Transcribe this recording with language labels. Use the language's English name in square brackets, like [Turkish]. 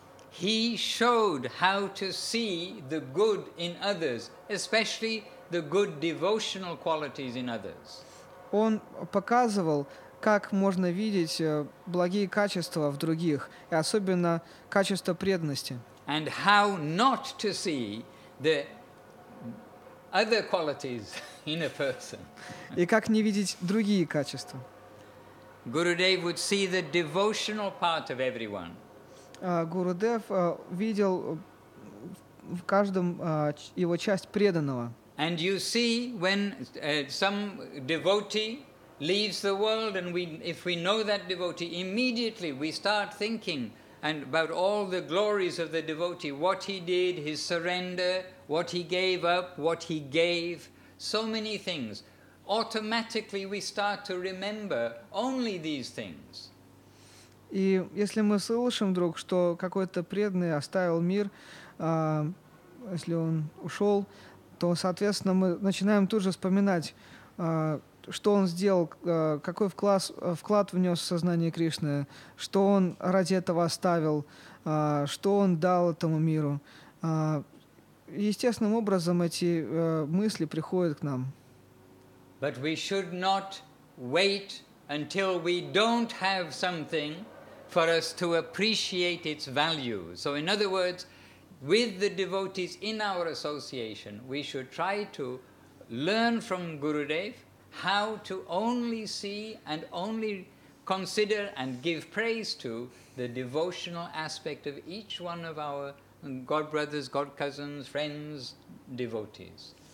[English] He showed how to see the good in others, especially the good devotional qualities in others. [Russian] Он показывал, как можно видеть благие качества в других, и особенно качество преданности. [English] And how not to see the other qualities in a person. [Russian] И как не видеть другие качества. [English] Gurudev would see the devotional part of everyone. [Russian] Gurudev видел в каждом его часть преданного. [English] And you see when some devotee leaves the world, and if we know that devotee, immediately we start thinking and about all the glories of the devotee, what he did, his surrender, what he gave up, what he gave, so many things. Automatically we start to remember only these things. [Russian] И если мы слышим вдруг, что какой-то преданный оставил мир, если он ушел, то, соответственно, мы начинаем тут же вспоминать, что он сделал, какой вклад внес в сознание Кришны, что он ради этого оставил, что он дал этому миру. Естественным образом эти мысли приходят к нам. [English] But we should not wait until we don't have something for us to appreciate its value. So in other words, with the devotees in our association, we should try to learn from Gurudev how to only see and only consider and give praise to the devotional aspect of each one of our god brothers, god cousins, friends, devotees.